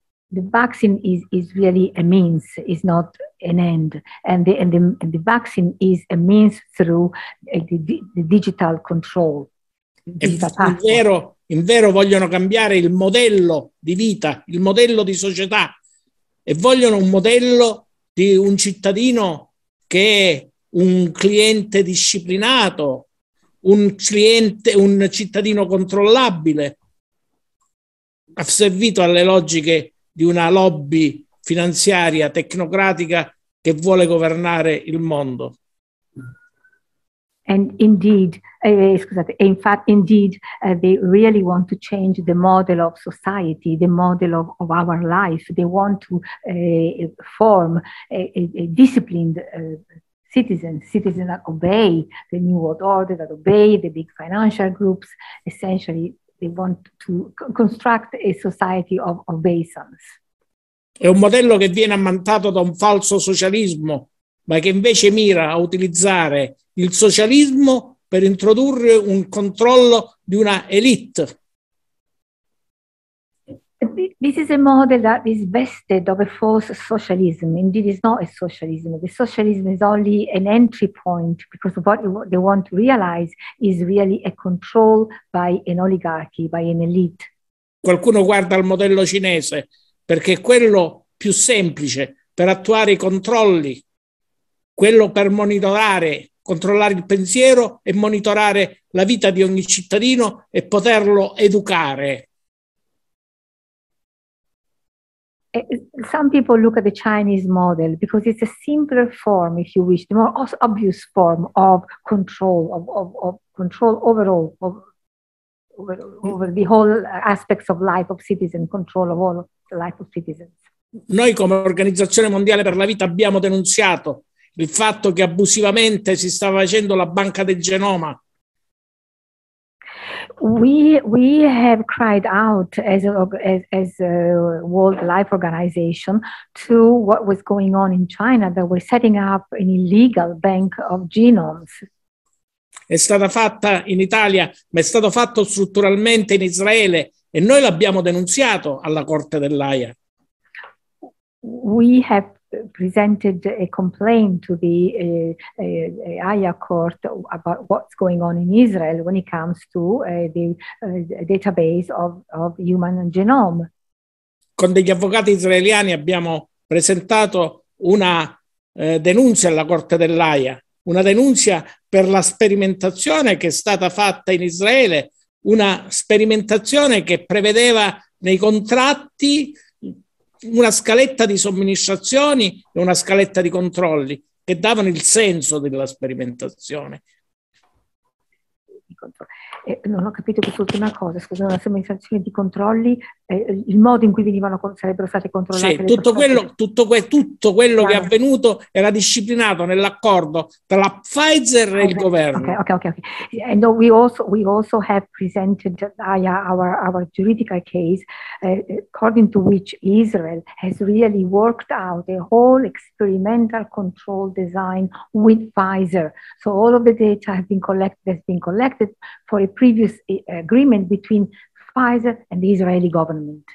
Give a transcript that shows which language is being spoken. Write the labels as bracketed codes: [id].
[en] The vaccine is really a means, is not an end. And the vaccine is a means through the digital control. [it] In vero vogliono cambiare il modello di vita, il modello di società, e vogliono un modello di un cittadino che è un cliente disciplinato, un cliente, un cittadino controllabile, asservito alle logiche di una lobby finanziaria tecnocratica che vuole governare il mondo. [en] And indeed, they really want to change the model of society, the model of our life. They want to form a disciplined citizens that obey the new world order, that obey the big financial groups. Essentially, they want to construct a society of obeisance. [it] È un modello che viene ammantato da un falso socialismo, ma che invece mira a utilizzare il socialismo per introdurre un controllo di una elite. [en] This is a model that is vested of a false socialism. Indeed, it's not a socialism. The socialism is only an entry point, because what they want to realize is really a control by an oligarchy, by an elite. [it] Qualcuno guarda al modello cinese perché è quello più semplice per attuare i controlli, quello per monitorare, controllare il pensiero e monitorare la vita di ogni cittadino e poterlo educare. [en] Some people look at the Chinese model because it's a simpler form, if you wish, the more obvious form of control, of control overall, over the whole aspects of life of citizen, control of all the life of citizens. [it] Noi come Organizzazione Mondiale per la Vita abbiamo denunciato il fatto che abusivamente si stava facendo la banca del genoma. [en] We have cried out as a World Life Organization to what was going on in China, that we're setting up an illegal bank of genomes. [it] È stata fatta in Italia, ma è stato fatto strutturalmente in Israele, e noi l'abbiamo denunziato alla Corte dell'Aia. [en] We have presented a complaint to the Haya court about what's going on in Israel when it comes to the database of human genome. [it] Con degli avvocati israeliani abbiamo presentato una denuncia alla Corte dell'Aia, una denuncia per la sperimentazione che è stata fatta in Israele, una sperimentazione che prevedeva nei contratti una scaletta di somministrazioni e una scaletta di controlli che davano il senso della sperimentazione. Non ho capito quest'ultima cosa, scusa, una somministrazione di controlli, il modo in cui venivano, sarebbero state controllate. Sì, tutto quello che è avvenuto era disciplinato nell'accordo tra la Pfizer e il governo. Okay. [en] And we also have presented via our juridical case, according to which Israel has really worked out a whole experimental control design with Pfizer. So all of the data has been collected for a previous agreement between Pfizer and the Israeli government.